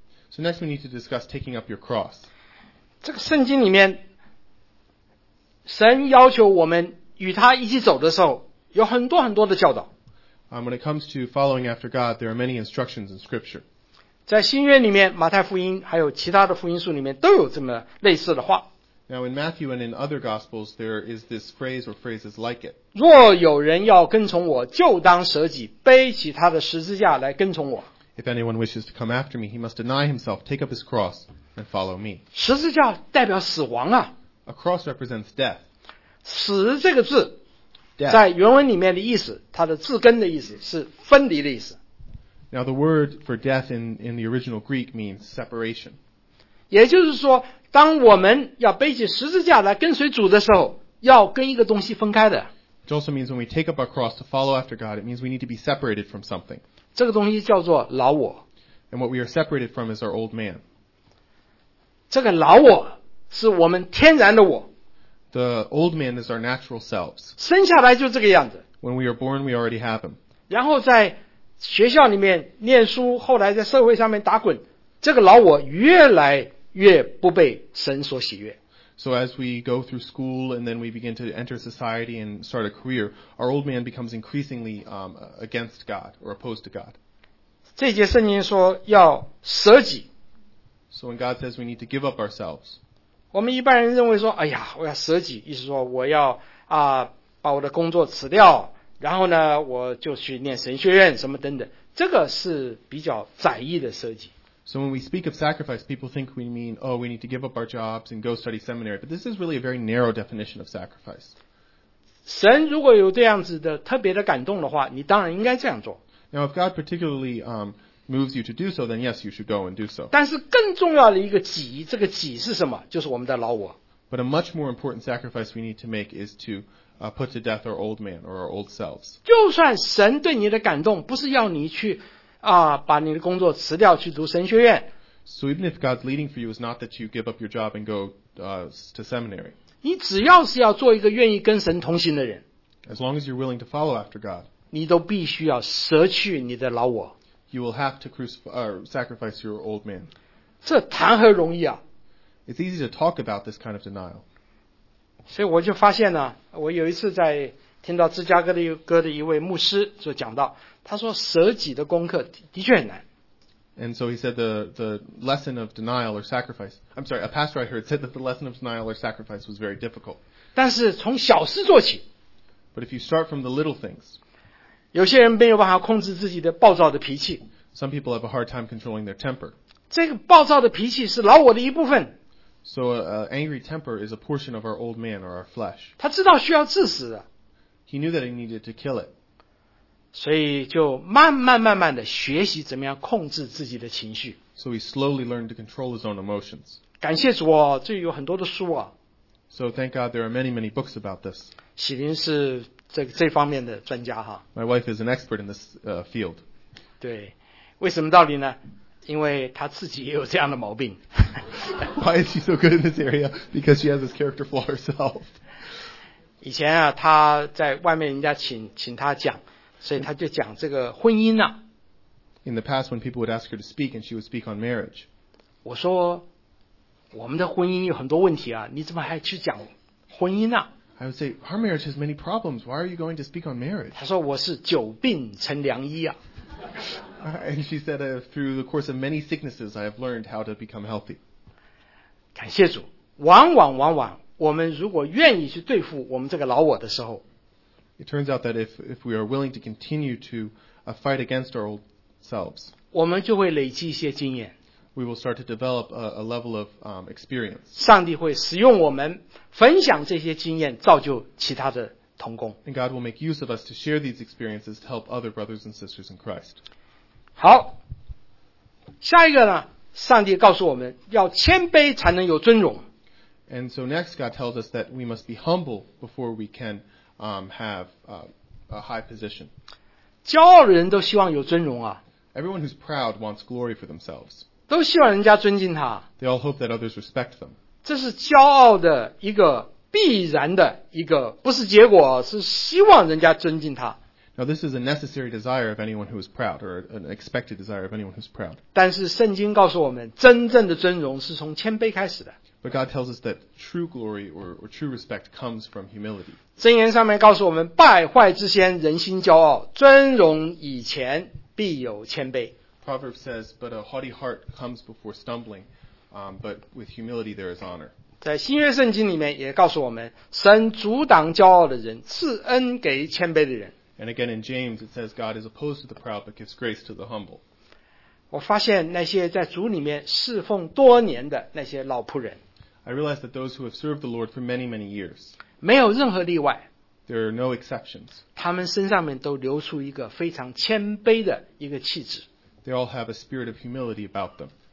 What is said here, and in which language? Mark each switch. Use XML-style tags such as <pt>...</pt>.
<en>So next we need to discuss taking up your cross.</en> <zh>这个圣经里面，神要求我们与他一起走的时候，有很多很多的教导。</zh> <en>When it comes to following after God, there are many instructions in Scripture.</en> <zh>在新约里面马太福音还有其他的福音书里面都有这么类似的话。</zh> <en>Now in Matthew and in other Gospels, there is this phrase or phrases like it.</en> <zh>若有人要跟从我就当舍己背起他的十字架来跟从我。</zh> <en>If anyone wishes to come after me, he must deny himself, take up his cross, and follow me.</en> <zh>十字架代表死亡啊。</zh> <en>A cross represents death.</en> <zh>死这个字、</zh> <en>death.</en> <zh>在原文里面的意思它的字根的意思是分离的意思。</zh> <en>Now the word for death in the original Greek means separation.</en> <zh>也就是说当我们要背起十字架来跟随主的时候要跟一个东西分开的。</zh> <en>It also means when we take up our cross to follow after God, it means we need to be separated from something.</en> <zh>这个东西叫做老我。</zh> <en>And what we are separated from is our old man.</en> <zh>这个老我是我们天然的我。</zh> <en>The old man is our natural selves.</en> <zh>生下来就这个样子。</zh> <en>When we are born, we already have him.</en> <zh>然后在学校里面念书后来在社会上面打滚这个老我越来越不被神所喜悦。</zh> <en>So as we go through school and then we begin to enter society and start a career, our old man becomes increasingly against God or opposed to God.</en> <zh>这节圣经说要舍己。</zh> <en>So when God says we need to give up ourselves,</en> <zh>我们一般人认为说哎呀我要舍己意思说我要把我的工作辞掉然后呢我就去念神学院什么等等。这个是比较窄义的舍己。</zh> <en>So when we speak of sacrifice, people think we mean, oh, we need to give up our jobs and go study seminary. But this is really a very narrow definition of sacrifice.</en> <zh>神如果有这样子的特别的感动的话你当然应该这样做。</zh> <en>Now if God particularly moves you to do so, then yes, you should go and do so.</en> <zh>但是更重要的一个己这个己是什么就是我们的老我。</zh> <en>But a much more important sacrifice we need to make is to put to death our old man or our old selves.</en> <zh>就算神对你的感动不是要你去把你的工作辞掉去读神学院。</zh> <en>So even if God's leading for you is not that you give up your job and go to seminary.</en> <zh>你只要是要做一个愿意跟神同行的人。</zh> <en>As long as you're willing to follow after God.</en> <zh>你都必须要舍去你的老我。</zh> <en>You will have to sacrifice your old man.</en> <zh>这谈何容易啊。</zh> <en>It's easy to talk about this kind of denial.</en> <zh>所以我就发现呢，我有一次在听到芝加哥的一位牧师就讲到，他说舍己的功课的确很难。</zh> <en>And so he said the lesson of denial or sacrifice. I'm sorry, a pastor I heard said that the lesson of denial or sacrifice was very difficult.</en> <zh>但是从小事做起。</zh> <en>But if you start from the little things.</en> <zh>有些人没有办法控制自己的暴躁的脾气。</zh> <en>Some people have a hard time controlling their temper.</en> <zh>这个暴躁的脾气是老我的一部分。</zh> <en>So an angry temper is a portion of our old man or our flesh.</en> <zh>他知道需要致死的。</zh> <en>He knew that he needed to kill it.</en> <zh>所以就慢慢慢慢的学习怎么样控制自己的情绪。</zh> <en>So he slowly learned to control his own emotions.</en> <zh>感谢主哦，这有很多的书啊。</zh> <en>So thank God there are many, many books about this.</en> <zh>喜林是这方面的专家哈。</zh> <en>My wife is an expert in this field.</en> <zh>对，为什么道理呢？因为他自己也有这样的毛病。</zh> <en>Why is she so good in this area? Because she has this character flaw herself.</en> <zh>以前啊，他在外面人家请他讲。所以他就讲这个婚姻啊。</zh> <en>In the past, when people would ask her to speak, and she would speak on marriage.</en> <zh>我说，我们的婚姻有很多问题啊，你怎么还去讲婚姻呢？</zh> <en>I would say, our marriage has many problems. Why are you going to speak on marriage?</en> <zh>他说我是久病成良医啊。</zh> <en>And she said, through the course of many sicknesses, I have learned how to become healthy.</en> <zh>感谢主，往往，我们如果愿意去对付我们这个老我的时候。</zh> <en>It turns out that if we are willing to continue to fight against our old selves,</en> <zh>我们就会累积一些经验。</zh> <en>We will start to develop a level of experience.</en> <zh>上帝会使用我们分享这些经验，造就其他的同工。</zh> <en>And God will make use of us to share these experiences to help other brothers and sisters in Christ.</en> <zh>好，下一个呢？上帝告诉我们要谦卑才能有尊荣。</zh> <en>And so next, God tells us that we must be humble before we can. Have a high position.</en> <zh>骄傲的人都希望有尊荣啊。</zh> <en>Everyone who's proud wants glory for themselves.</en> <zh>都希望人家尊敬他。</zh> <en>They all hope that others respect them.</en> <zh>这是骄傲的一个必然的一个，不是结果，是希望人家尊敬他。</zh> <en>Now this is a necessary desire of anyone who is proud, or an expected desire of anyone who's proud.</en> <zh>但是圣经告诉我们，真正的尊荣是从谦卑开始的。</zh> <en>But God tells us that true glory or true respect comes from humility.</en> <zh>箴言上面告诉我们，败坏之先人心骄傲，尊荣以前必有谦卑。</zh> <en>Proverbs says, but a haughty heart comes before stumbling, but with humility there is honor.</en> <zh>在新约圣经里面也告诉我们，神阻挡骄傲的人，赐恩给谦卑的人。</zh> <en>And again in James it says, God is opposed to the proud, but gives grace to the humble.</en> <zh>我发现那些在主里面侍奉多年的那些老仆人，</zh> <en>I realize that those who have served the Lord for many, many years,</en> <zh>没有任何例外,</zh> <en>there are no exceptions.</en> <zh>他们身上面都流出一个非常谦卑的一个气质。</zh> <en>They all have a spirit of humility about them.</en>